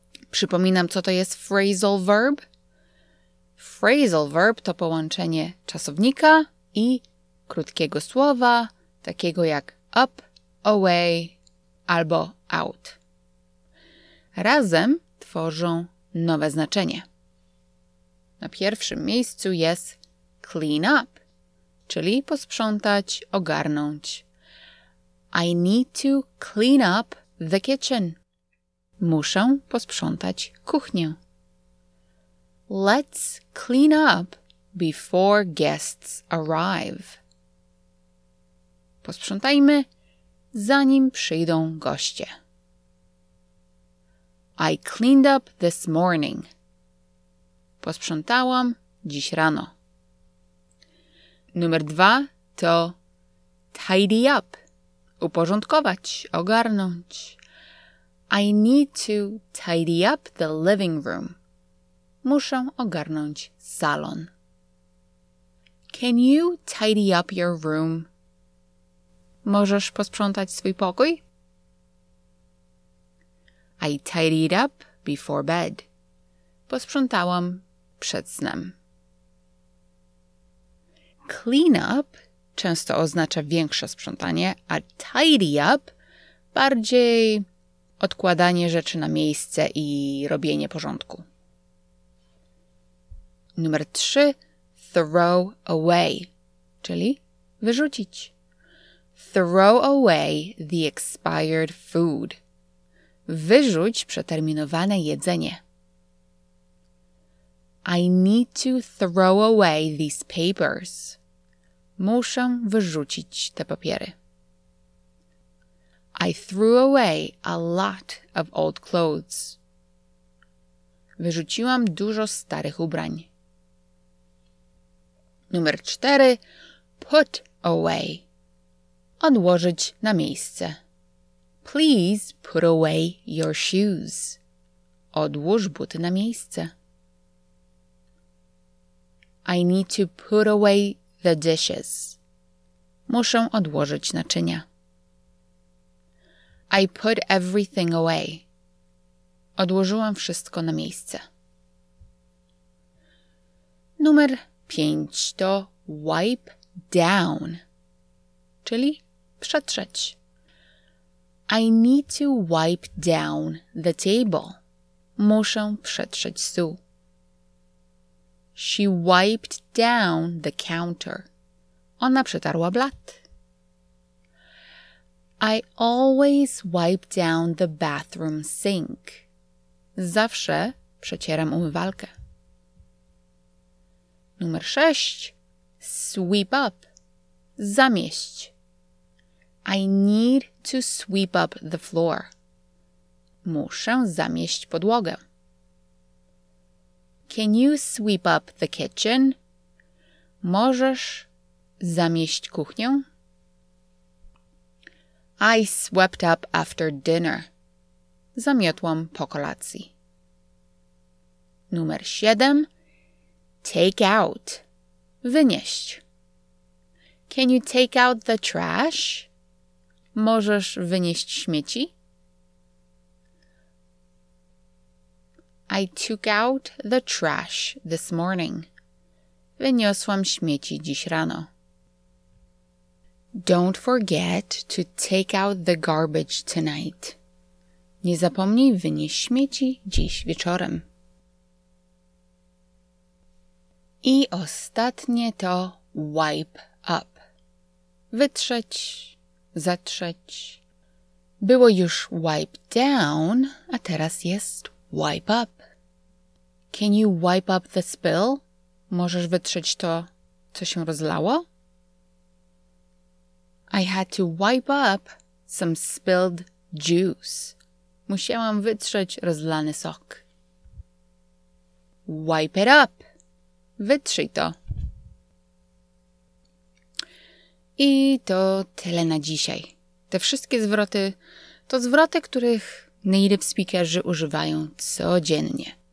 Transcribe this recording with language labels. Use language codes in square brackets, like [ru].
[pl] Przypominam, co to jest phrasal verb. Phrasal verb to połączenie czasownika i krótkiego słowa, takiego jak up, away albo out. Razem tworzą nowe znaczenie. Na pierwszym miejscu jest clean up, czyli posprzątać, ogarnąć. [en] I need to clean up the kitchen. [pl] Muszę posprzątać kuchnię. [en] Let's clean up before guests arrive. [pl] Posprzątajmy, zanim przyjdą goście. [en] I cleaned up this morning. [pl] Posprzątałam dziś rano. Numer dwa to tidy up. Uporządkować, ogarnąć. [en] I need to tidy up the living room. [pl] Muszę ogarnąć salon. [en] Can you tidy up your room? [pl] Możesz posprzątać swój pokój? [en] I tidied up before bed. [pl] Posprzątałam przed snem. Clean up często oznacza większe sprzątanie, a tidy up bardziej odkładanie rzeczy na miejsce i robienie porządku. Numer 3. Throw away, czyli wyrzucić. [en] Throw away the expired food. [pl] Wyrzuć przeterminowane jedzenie. [en] I need to throw away these papers. [pl] Muszę wyrzucić te papiery. [en] I threw away a lot of old clothes. [pl] Wyrzuciłam dużo starych ubrań. Numer 4. Put away. Odłożyć na miejsce. [en] Please put away your shoes. [pl] Odłóż buty na miejsce. [en] I need to put away the dishes. [pl] Muszę odłożyć naczynia. [en] I put everything away. [pl] Odłożyłam wszystko na miejsce. Numer 5 to wipe down, czyli przetrzeć. [en] I need to wipe down the table. [pl] Muszę przetrzeć stół. [en] She wiped down the counter. [pl] Ona przetarła blat. [en] I always wipe down the bathroom sink. [pl] Zawsze przecieram umywalkę. Numer 6. Sweep up. Zamieść. [en] I need to sweep up the floor. [pl] Muszę zamieść podłogę. [en] Can you sweep up the kitchen? [pl] Możesz zamieść kuchnię? [en] I swept up after dinner. [pl] Zamiotłam po kolacji. Numer 7. Take out. Wynieść. [en] Can you take out the trash? [pl] Możesz wynieść śmieci? [en] I took out the trash this morning. [pl] Wyniosłam śmieci dziś rano. [en] Don't forget to take out the garbage tonight. [pl] Nie zapomnij wynieść śmieci dziś wieczorem. I ostatnie to wipe up. Wytrzeć, zatrzeć. Było już wipe down, a teraz jest wipe up. [en] Can you wipe up the spill? [pl] Możesz wytrzeć to, co się rozlało? [en] I had to wipe up some spilled juice. [pl] Musiałam wytrzeć rozlany sok. [en] Wipe it up. [pl] Wytrzyj to. I to tyle na dzisiaj. Te wszystkie zwroty to zwroty, których native speakerzy używają codziennie.